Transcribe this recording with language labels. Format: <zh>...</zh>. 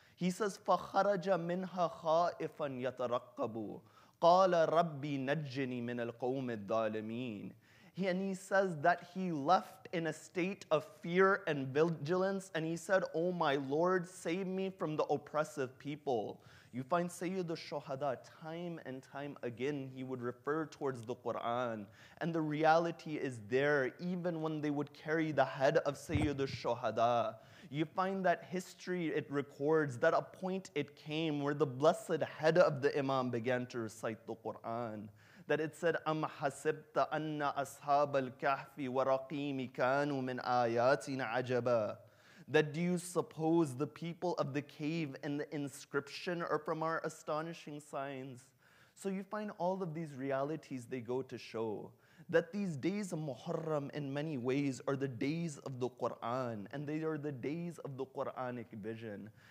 <en>He says,</en> <ar>فَخَرَجَ مِنْهَا خَائِفًا يَتَرَقَّبُ قَالَ رَبِّي نَجِّنِي مِنَ الْقَوْمِ الظَّالِمِينَ.</ar> <en>He, and he says that he left in a state of fear and vigilance, and he said, oh my Lord, save me from the oppressive people. You find Sayyid al-Shuhada, time and time again, he would refer towards the Quran. And the reality is there, even when they would carry the head of Sayyid al-Shuhada. You find that history, it records that a point it came where the blessed head of the imam began to recite the Quran. That it said,</en> <ar>أَمْ حَسِبْتَ أَنَّ أَصْحَابَ الْكَهْفِ وَرَقِيمِ كَانُوا مِنْ آيَاتِنَا عَجَبًا.</ar> <en>That do you suppose the people of the cave and the inscription are from our astonishing signs? So you find all of these realities, they go to show that these days of Muharram in many ways are the days of the Quran, and they are the days of the Quranic vision.</en>